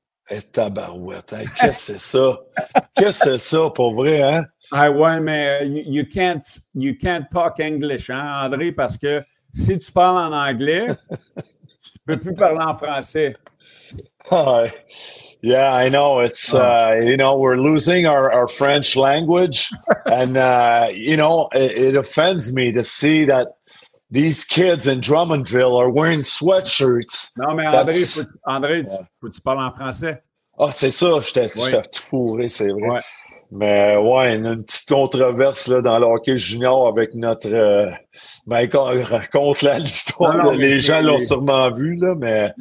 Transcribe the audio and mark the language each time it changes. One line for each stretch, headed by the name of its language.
French: Et tabarouette, hein? Qu'est-ce que c'est ça? Qu'est-ce que c'est ça, pour vrai, hein?
English: You can't talk English,
French: hein, André, parce que si tu parles en anglais, tu ne peux plus parler en français.
English: Yeah, I know. It's we're losing our French language. And it offends me to see that these kids in Drummondville are wearing sweatshirts.
French: Non, mais André, faut-tu parler en français? Ah, c'est ça, je t'ai tout fourré, c'est vrai. Ouais. Mais une petite controverse là, dans le hockey junior avec notre... raconte là l'histoire. Les gens l'ont sûrement vu, là, mais...